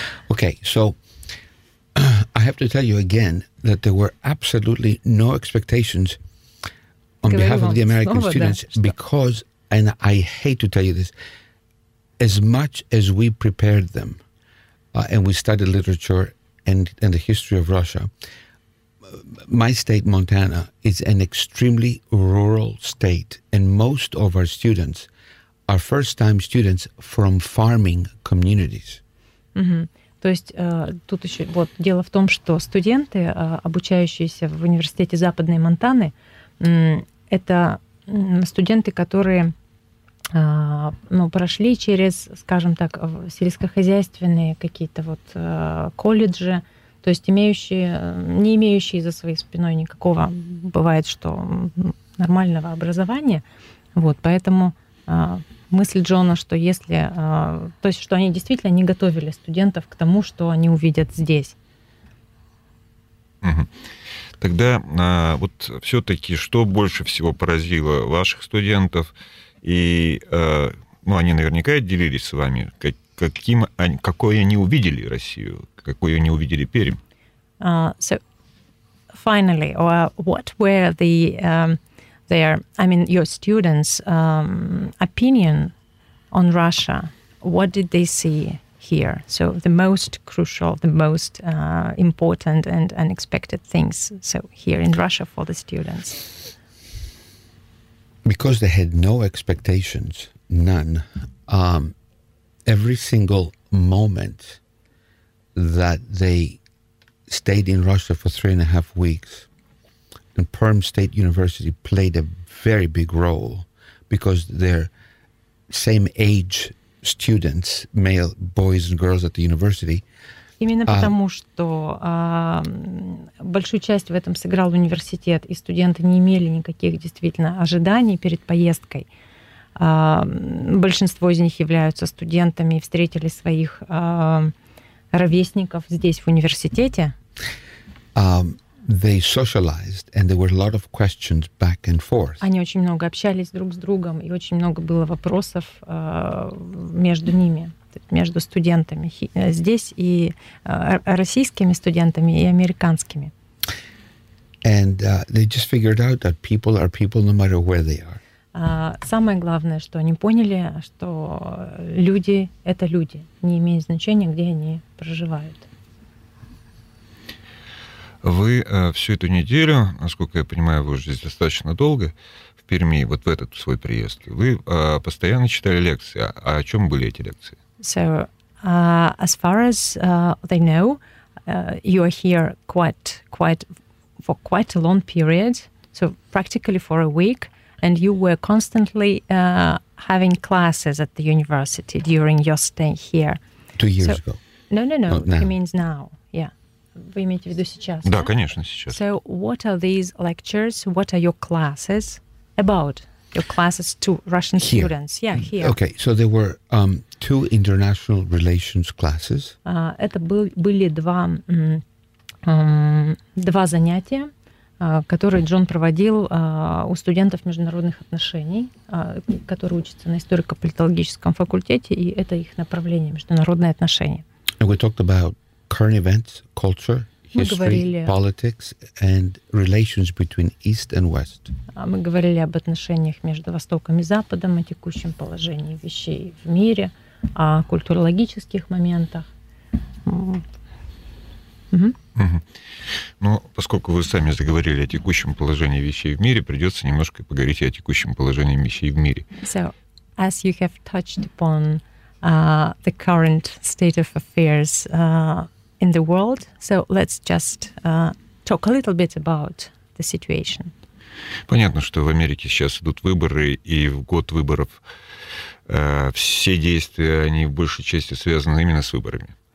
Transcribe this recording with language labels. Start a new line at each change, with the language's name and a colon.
English: Okay, so I have to tell you again that there were absolutely no expectations on behalf of the American students, because, and I hate to tell you this, as much as we prepared them, and we studied literature and the history of Russia, my state, Montana, is an extremely rural state, and most of our students are first-time students from farming communities. Mm-hmm.
Russian: То есть тут еще вот дело в том, что студенты, обучающиеся в университете Западной Монтаны, это студенты, которые прошли через, скажем так, сельскохозяйственные какие-то вот колледжи, то есть не имеющие за своей спиной никакого, бывает, что нормального образования. Вот, поэтому мысль Джона, что если... то есть, что они действительно не готовили студентов к тому, что они увидят здесь. Тогда вот все-таки что больше всего поразило ваших студентов? И, они наверняка делились с вами, какой они увидели Россию, какой они увидели Пермь.
English: So, finally, what were the their, I mean, your students' opinion on Russia? What did they see here? So, the most crucial, the most important and unexpected things. So, here in Russia for the students. Because they had no expectations, none. Every single moment that they stayed in Russia for 3.5 weeks, and Perm State University played a very big role, because their same age students, male boys and girls at the university.
Russian: Именно потому что большую часть в этом сыграл университет, и студенты не имели никаких действительно ожиданий перед поездкой. Большинство из них являются студентами и встретили своих ровесников здесь, в университете.
English: They socialized, and there were a lot of questions back and forth.
Russian: Они очень много общались друг с другом, и очень много было вопросов между ними, между студентами здесь и российскими студентами и американскими.
English: And they just figured out that people are people no matter where they are.
Russian: Самое главное, что они поняли, что люди — это люди, не имеет значения, где они проживают. Вы всю эту неделю, насколько я понимаю, вы уже здесь достаточно долго, в Перми, вот в этот свой приезд, вы постоянно читали лекции. А о чем были эти лекции?
English: So, as far as they know, you are here for quite a long period, so practically for a week, and you were constantly having classes at the university during your stay here. 2 years ago. No, it means now.
Russian: вы имеете в виду сейчас? Да, конечно, сейчас.
English: So, what are these lectures? What are your classes about? Your classes to Russian here. Students? Yeah, here. Okay, so there were two international relations classes.
Russian: Это были два занятия, которые Джон проводил у студентов международных отношений, которые учатся на историко-политологическом факультете, и это их направление — международные отношения.
English: And we talked about current events, culture, history, politics, and relations between East and West.
Russian: Мы говорили об отношениях между Востоком и Западом, о текущем положении вещей в мире, о культурологических моментах. Ну, поскольку вы сами заговорили о текущем положении вещей в мире, придется немножко поговорить и о текущем положении вещей в мире.
English: So, as you have touched upon the current state of affairs in the world, so let's just talk a little bit about the situation.
Russian: Понятно, что в Америке сейчас идут выборы, и в год выборов все действия, они в большей части связаны именно с выборами.